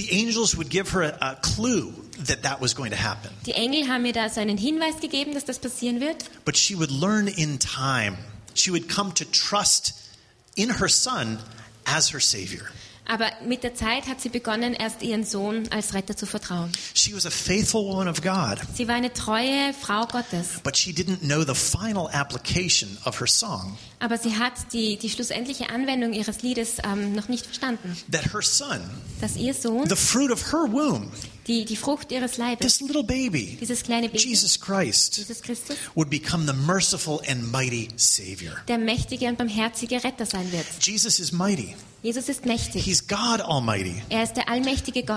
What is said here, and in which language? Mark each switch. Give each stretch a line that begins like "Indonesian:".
English: The angels would give her a clue that that was going to happen.
German: Die Engel haben ihr da so einen Hinweis gegeben, dass das passieren wird.
English: But she would learn in time. She would come to trust in her son as her savior.
German: Aber mit der Zeit hat sie begonnen, erst ihren Sohn als Retter zu vertrauen.
English: She was a faithful woman of God.
German: Sie war eine treue Frau Gottes.
English: But she didn't know the final application of her song.
German: Aber sie hat die schlussendliche Anwendung ihres Liedes noch nicht verstanden.
English: That her son,
German: dass ihr Sohn,
English: the fruit of her womb,
German: die Frucht ihres Leibes,
English: this little baby,
German: dieses kleine Baby,
English: Jesus Christus, would become the merciful and mighty Savior.
German: Der mächtige und barmherzige Retter sein wird.
English: Jesus is mighty.
German: Jesus ist mächtig.
English: He's God Almighty.
German: Er ist der allmächtige Gott.